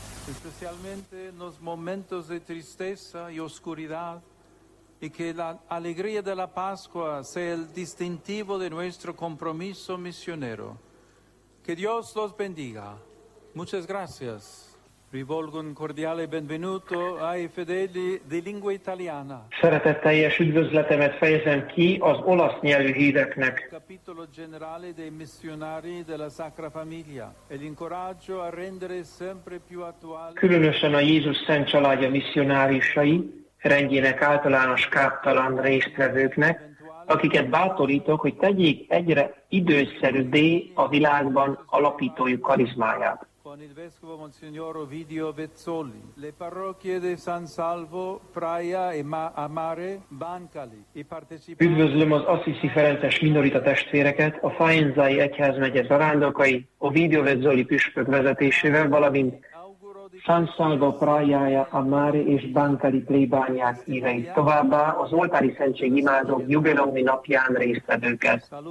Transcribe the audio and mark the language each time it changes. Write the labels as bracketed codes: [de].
[es] Especialmente nos momentos de tristeza y oscuridad y que la alegría de la Pascua sea el distintivo de nuestro compromiso misionero. Que Dios los bendiga. Muchas gracias. [it] Rivolgo un cordiale benvenuto ai fedeli di lingua italiana. [hu] Szeretetteljes üdvözletemet fejezem ki az olasz nyelvű híreknek. [it] Capitolo generale dei missionari della Sacra Famiglia e l'incoraggio a rendere sempre più attuale. [hu] Különösen a Jézus Szent Családja missionárisai, rendjének általános káptalan résztvevőknek, akiket bátorítok, hogy tegyék egyre időszerűbbé a világban alapítójuk karizmáját. [it] Con il vescovo Monsignor Ovidio Vezzoli, le parrocchie di San Salvo, Praia e Amare, Bancali, i partecipanti. [hu] Üdvözlöm az Assisi Ferences minorita testvéreket, a Faenzai Egyházmegye zarándokai Ovidio Vezzoli püspök vezetésével, valamint San Salvo Praiaja Amare és Bancali plébániák hívei, továbbá az oltári szentség imádók jubileumi napján résztvevőket.